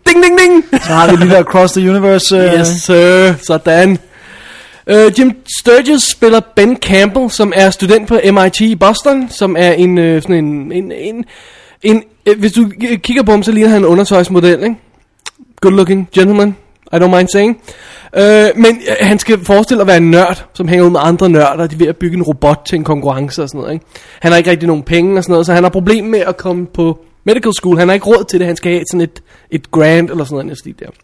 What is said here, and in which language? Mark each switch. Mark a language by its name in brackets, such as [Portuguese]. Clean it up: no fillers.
[Danish] Ding, ding, ding! Så har vi lige der Across the Universe. [English] Yes, sir. [Danish] Sådan. Jim Sturgess spiller Ben Campbell, som er student på MIT i Boston, som er en... hvis du kigger på ham, så ligner han en undertøjsmodel, ikke? [English] Good looking gentleman, I don't mind saying. [Danish] Men han skal forestille at være en nørd, som hænger ud med andre nørder. De er ved at bygge en robot til en konkurrence og sådan noget, ikke? Han har ikke rigtig nogen penge og sådan noget, så han har problem med at komme på medical school. Han har ikke råd til det, han skal have sådan et grant eller sådan noget der.